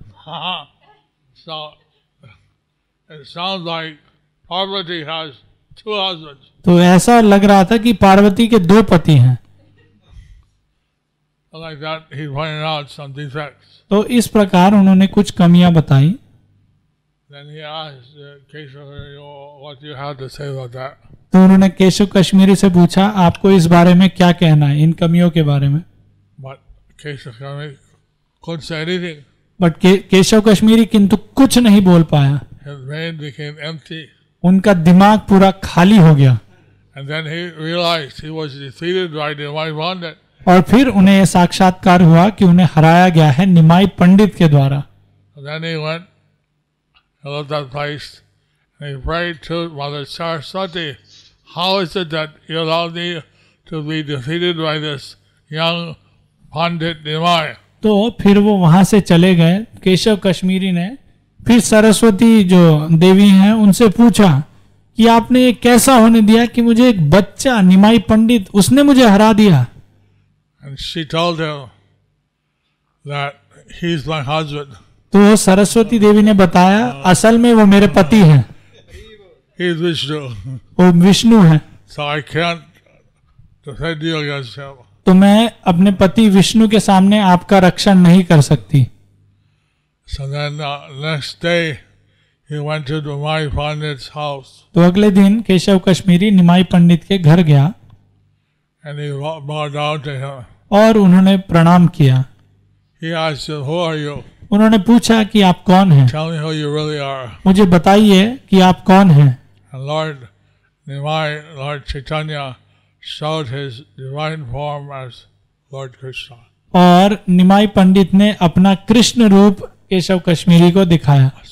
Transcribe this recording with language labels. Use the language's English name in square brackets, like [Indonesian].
[English] हाँ, so, it sounds like Parvati has two husbands. [Hindi] तो ऐसा लग रहा था कि पार्वती के दो पति हैं। [English] Like that, he pointed out some defects. [Hindi] तो इस प्रकार उन्होंने कुछ कमियां बताई। [English] Then he asked Keshav, "What you have to say about that?" [Hindi] तो उन्होंने केशव कश्मीरी से पूछा, आपको इस बारे में क्या कहना है, इन कमियों के बारे में? [English] But Keshav Kashmiri couldn't say anything. [Hindi] But Keshav Kashmiri किंतु कुछ नहीं बोल पाया। [English] His brain became empty. [Hindi] उनका दिमाग पूरा खाली हो गया। [English] And then he realized he was defeated by the one who wanted. [Hindi] और फिर उन्हें यह साक्षात्कार हुआ कि उन्हें हराया गया है निमाई पंडित के द्वारा। [English] Then he went, he left that place, and he prayed to Mother Saraswati, "How is it that you allow me to be defeated by this young pandit Nimai?" [Hindi] तो फिर वो वहां से चले गए केशव कश्मीरी ने। फिर सरस्वती जो देवी हैं उनसे पूछा कि आपने ये कैसा होने दिया कि मुझे एक बच्चा निमाई पंडित उसने मुझे हरा दिया। [English] And she told him that he's my husband. [Hindi] तो सरस्वती देवी ने बताया असल में वो मेरे पति हैं। [English] He is Vishnu. [Hindi] वो विष्णु हैं। [English] So I can't defend you against him. [Hindi] तो मैं अपने पति विष्णु के सामने आपका रक्षण नहीं कर सकती। [English] So then next day he went to Nimai Pandit's house. [Hindi] तो अगले दिन केशव कश्मीरी निमाई पंडित के घर गया। [English] And he bowed down to him. [Hindi] और उन्होंने प्रणाम किया। [English] He asked, "Who are you?" [Hindi] उन्होंने पूछा कि आप कौन हैं? [English] Tell me who you really are. [Hindi] मुझे बताइए कि आप कौन हैं? [English] And Lord Nimai, Lord Chaitanya showed his divine form as Lord Krishna. [Hindi] और Nimai पंडित ने अपना कृष्ण रूप केशव कश्मीरी को दिखाया।